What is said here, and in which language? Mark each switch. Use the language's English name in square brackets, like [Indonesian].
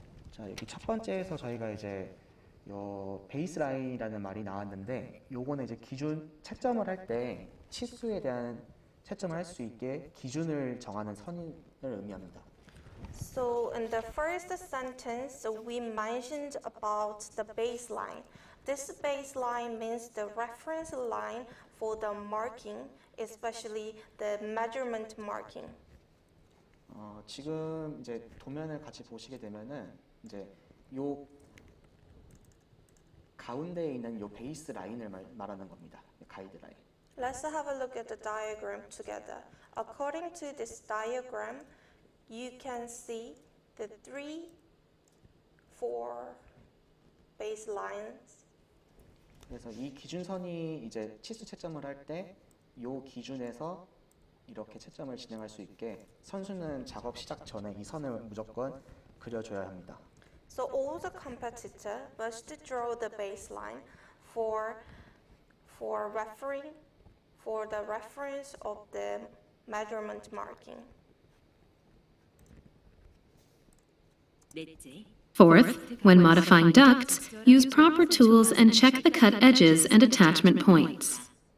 [Korean] 자, 이렇게 첫 번째에서 저희가 이제 요 베이스라인이라는 말이 나왔는데, 요거는 이제 기준 채점을 할때 치수에 대한 채점을 할수 있게 기준을 정하는 선을 의미합니다. [English] So in the first sentence, we mentioned about the baseline. This baseline means the reference line for the marking, especially the measurement marking. [Korean] 지금 이제 도면을 같이 보시게 되면은 이제 요 가운데에 있는 요 베이스 라인을 말하는 겁니다. 가이드라인. [English] Let's have a look at the diagram together. According to this diagram, you can see the 3, 4 baselines. [Korean] 그래서 이 기준선이 이제 치수 채점을 할 때 요 기준에서 이렇게 채점을 진행할 수 있게 선수는 작업 시작 전에 이 선을 무조건 그려줘야 합니다. [English] So all the competitor must draw the baseline for the reference of the measurement marking. Fourth, when modifying ducts, use proper tools and check the cut edges and attachment points.